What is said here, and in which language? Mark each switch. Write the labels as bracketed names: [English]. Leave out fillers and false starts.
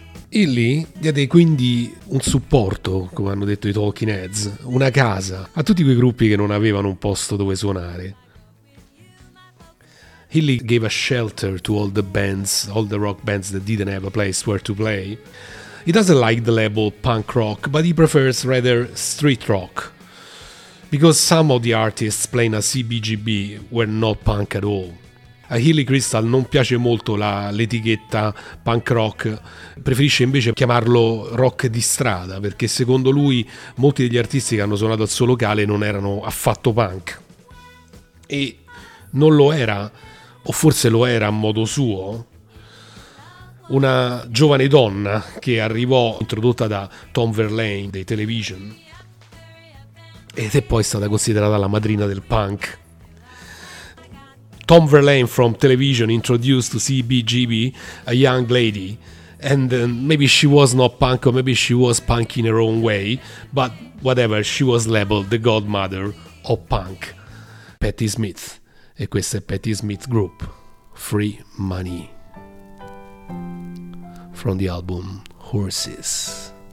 [Italian] Illy diede quindi un supporto, come hanno detto i Talking Heads, una casa a tutti quei gruppi che non avevano un posto dove suonare. [English] Illy gave a shelter to all the bands, all the rock bands that didn't have a place where to play. He doesn't like the label punk rock, but he prefers rather street rock, because some of the artists playing a CBGB were not punk at all. [Italian] A Hilly Crystal non piace molto l'etichetta punk rock, preferisce invece chiamarlo rock di strada, perché secondo lui molti degli artisti che hanno suonato al suo locale non erano affatto punk. E non lo era, o forse lo era a modo suo, una giovane donna che arrivò introdotta da Tom Verlaine dei Television ed è poi stata considerata la madrina del punk. [English] Tom Verlaine from Television introduced to CBGB a young lady, and maybe she was not punk, or maybe she was punk in her own way, but whatever, she was labeled the godmother of punk. [Italian] Patti Smith, e questa è Patti Smith Group, Free Money, [English] from the album [Italian] Horses.